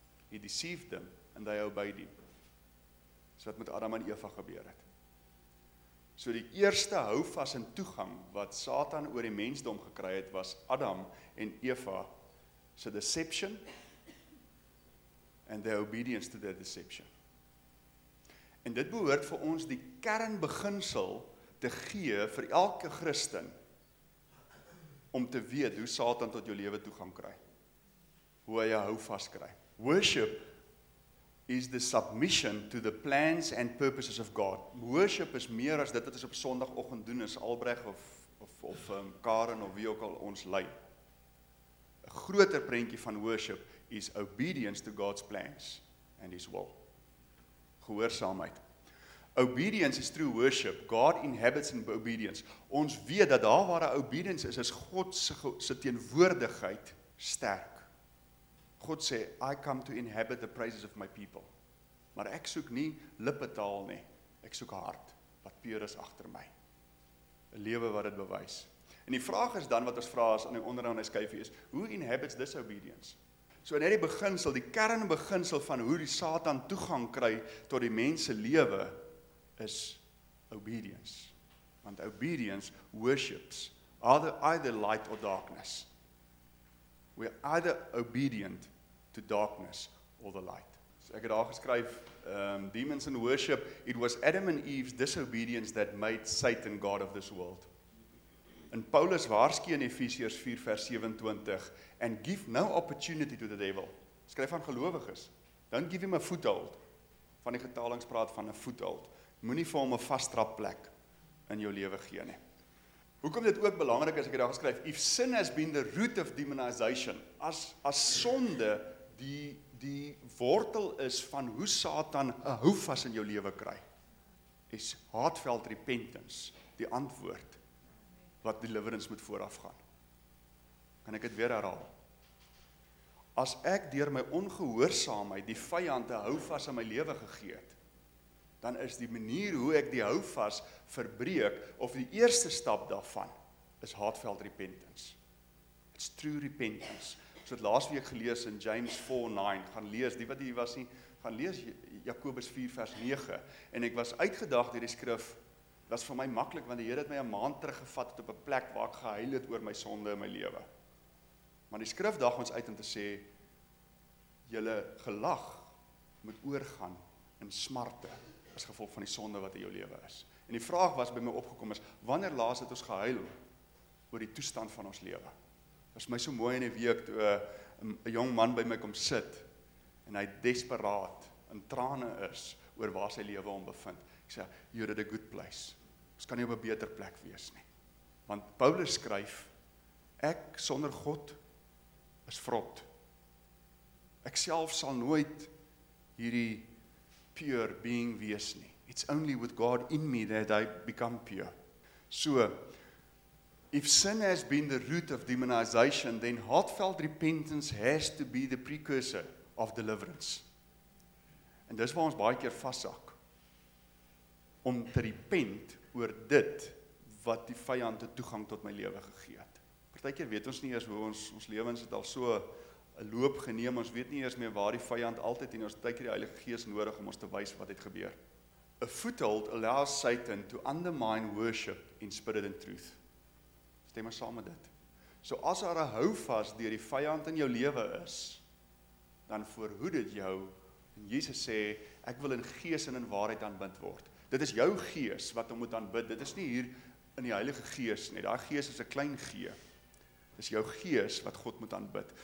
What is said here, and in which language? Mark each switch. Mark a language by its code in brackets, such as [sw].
[en] He deceived them and they obeyed him. [af] So wat met Adam en Eva gebeur het. So die eerste houvas en toegang wat Satan oor die mensdom gekry het was Adam en Eva se [en] deception and their obedience to their deception. [af] En dit behoort vir ons die kernbeginsel te gee vir elke Christen om te weet hoe Satan tot jou lewe toegang kry. Hoe hy jou hou vas kry. [en] Worship is the submission to the plans and purposes of God. [af] Worship is meer as dit wat ons op Sondagoggend doen is Albreg of Karen of wie ook al ons lei. 'N groter prentjie van [en] worship is obedience to God's plans and his will. [af] Gehoorsaamheid. [en] Obedience is true worship. God inhabits in obedience. [af] Ons weet dat daar waar 'n obedience is, is God se teenwoordigheid sterk. God sê, [en] I come to inhabit the praises of my people. [af] Maar ek soek nie lippetaal nie. Ek soek 'n hart wat pure is agter my. 'N lewe wat dit bewys. En die vraag is dan wat ons vra is aan die onderaan hy skuifie is, [en] who inhabits this obedience? [af] So net die beginsel, die kernbeginsel van hoe die Satan toegang kry tot die mens se lewe is obedience. [en] Want obedience worships either light or darkness. We are either obedient to darkness or the light. [af] So ek het daar geskryf, [en] demons in worship, it was Adam and Eve's disobedience that made Satan God of this world. [af] En Paulus waarskei in Efesiërs 4 vers 27, [en] and give no opportunity to the devil. [af] Skryf aan gelowiges, [en] don't give him a foothold. [af] Van die vertalings praat van 'n foothold. Moenie vir hom 'n vastrap plek in jou lewe gee nie. Hoekom dit ook belangrik is, ek het daar geskryf, [en] if sin has been the root of demonization, [af] as sonde die wortel is van hoe Satan 'n houvas in jou lewe kry, is [en] heartfelt repentance [af] die antwoord wat deliverance moet voorafgaan. Kan ek dit weer herhaal? As ek deur my ongehoorsaamheid die vyand 'n houvas in my lewe gegee het, dan is die manier hoe ek die houvas verbreek of die eerste stap daarvan is [en] heartfelt repentance. It's true repentance. [af] So het laatste week gelees in James 4:9. Gaan lees, die wat hier was nie, gaan lees Jakobus 4 vers 9. En ek was uitgedaag deur die skrif. Dit was vir my makkelijk, want die Heer het my 'n maand teruggevat op 'n plek waar ek gehuil het oor my sonde en my lewe. Maar die skrif daag ons uit om te sê, julle gelag moet oorgaan in smarte as gevolg van die sonde wat in jou lewe is. En die vraag was by my opgekom is, wanneer laas het ons gehuil oor die toestand van ons lewe? Was my so mooi in die week toe 'n jong man by my kom sit en hy desperaat in trane is oor waar sy lewe hom bevind. Ek sê, [en] you're at a good place. [af] Ons kan nie op 'n beter plek wees nie. Want Paulus skryf, ek sonder God is vrot. Ek self sal nooit hierdie [en] pure being [af] wees nie. [en] It's only with God in me that I become pure. So, if sin has been the root of demonization, then heartfelt repentance has to be the precursor of deliverance. [af] En dis waar ons baie keer vashak. Om te repent oor dit wat die vyand toegang tot my lewe gegee het. Partykeer weet ons nie eers hoe ons lewens het al so 'n loop geneem, ons weet nie eers meer waar die vyand altyd en ons partykeer die Heilige Gees nodig om ons te wys wat het gebeur. [en] A foothold allows Satan to undermine worship in spirit and truth. [af] Stem maar saam met dit. So as daar 'n houvas deur die vyand in jou lewe is, dan verhoed dit jou. En Jesus sê, ek wil in gees en in waarheid aanbid word. Dit is jou gees wat om moet aanbid. Dit is nie hier in die Heilige Gees nie. Daai gees is 'n klein gee. Dis jou gees wat God moet aanbid.